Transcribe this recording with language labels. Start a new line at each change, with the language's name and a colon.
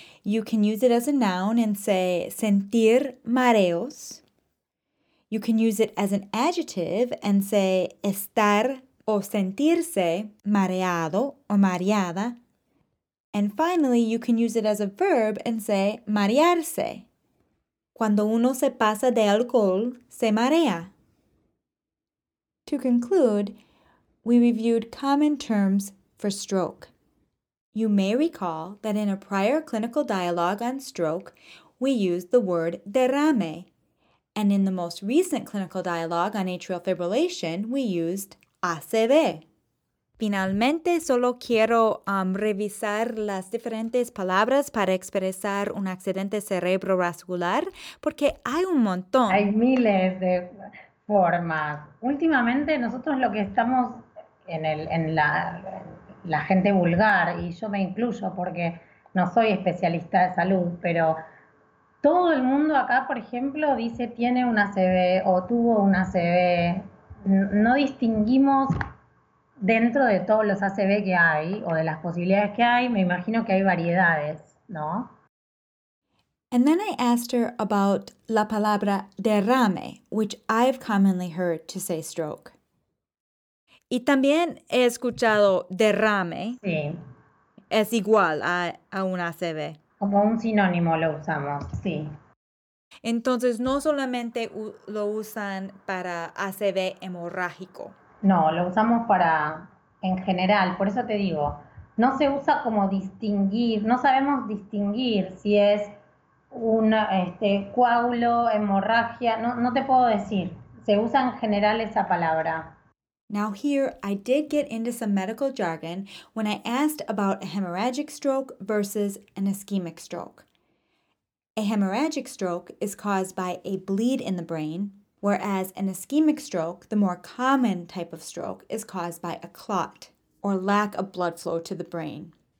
English: You can use it as a noun and say,
Spanish: sentir mareos.
English: You can use it as an adjective and say
Spanish: estar o sentirse mareado o mareada.
English: And finally, you can use it as a verb and say marearse.
Spanish: Cuando uno se pasa de alcohol, se marea.
English: To conclude, we reviewed common terms for stroke. You may recall that in a prior clinical dialogue on stroke, we used the word derrame. And in the most recent clinical dialogue on atrial fibrillation, we used ACV.
Spanish: Finalmente, solo quiero revisar las diferentes palabras para expresar un accidente cerebrovascular, porque hay un montón. Hay miles de formas. Últimamente, nosotros lo que estamos en la gente vulgar, y yo me incluyo porque no soy especialista de salud, pero todo el mundo acá, por ejemplo, dice tiene un ACV o tuvo un ACV. No distinguimos dentro de todos los ACV que hay o de las posibilidades que hay, me imagino que hay variedades, ¿no?
English: And then I asked her about
Spanish: la palabra derrame,
English: which I've commonly heard to say stroke.
Spanish: Y también he escuchado derrame. Sí. Es igual a un ACV. Como un sinónimo lo usamos, sí. Entonces, no solamente lo usan para ACV hemorrágico. No, lo usamos para, en general, por eso te digo, no se usa como distinguir, no sabemos distinguir si es un coágulo, hemorragia, no te puedo decir. Se usa en general esa palabra.
English: Now here, I did get into some medical jargon when I asked about a hemorrhagic stroke versus an ischemic stroke. A hemorrhagic stroke is caused by a bleed in the brain, whereas an ischemic stroke, the more common type of stroke, is caused by a clot or lack of blood flow to the brain.